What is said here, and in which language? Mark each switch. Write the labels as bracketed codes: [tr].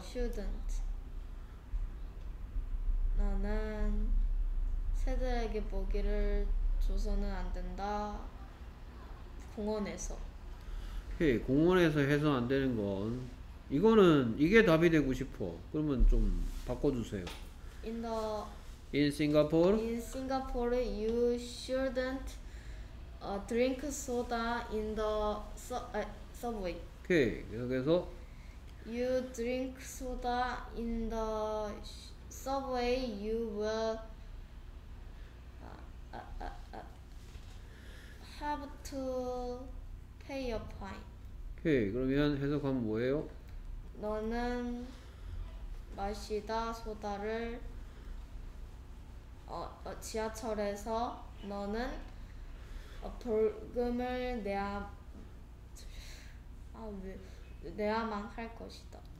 [ko] Shouldn't 나는 새들에게 먹이를 줘서는 안 된다. 공원에서. 오케이. 공원에서 해서 안 되는 건 이거는 이게 답이 되고 싶어. 그러면 좀 바꿔주세요. [en] In the In Singapore In Singapore you shouldn't drink soda in the subway. [ko] 오케이. 계속해서 [en] You drink soda in the subway you will have to pay a fine. [ko] 오케이. 그러면 해석하면 뭐예요? 너는 마시다 소다를 지하철에서 너는 벌금을 내야 내야만 할 것이다.